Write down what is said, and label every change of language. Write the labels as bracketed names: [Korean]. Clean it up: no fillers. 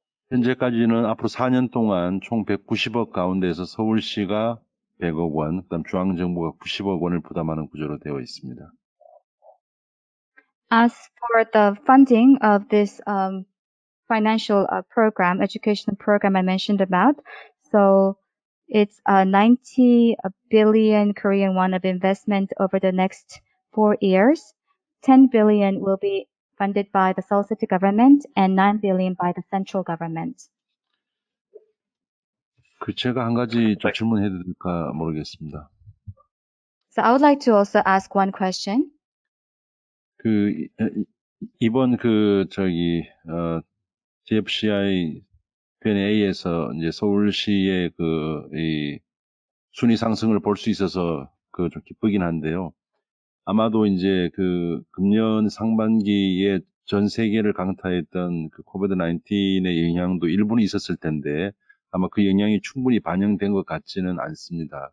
[Korean] 현재까지는 앞으로 4년 동안 총 190억 가운데에서 서울시가 100억 원, 그다음 중앙정부가 90억 원을 부담하는 구조로 되어 있습니다. [English] As for the funding of this financial program, educational program I mentioned about, so it's 90 billion Korean won of investment over the next 4 years. 10 billion will be funded by the Seoul City government and 9 billion by the central government. [Korean] 그 제가 한 가지 좀 질문해 드릴까 모르겠습니다. [English] So I would like to also ask one question. [Korean] 그 이번 그 저기 GFCI 변회에서 이제 서울시의 그 이 순위 상승을 볼 수 있어서 그 좀 기쁘긴 한데요. 아마도 이제 그 금년 상반기에 전 세계를 강타했던 그 COVID-19의 영향도 일부는 있었을 텐데 아마 그 영향이 충분히 반영된 것 같지는 않습니다.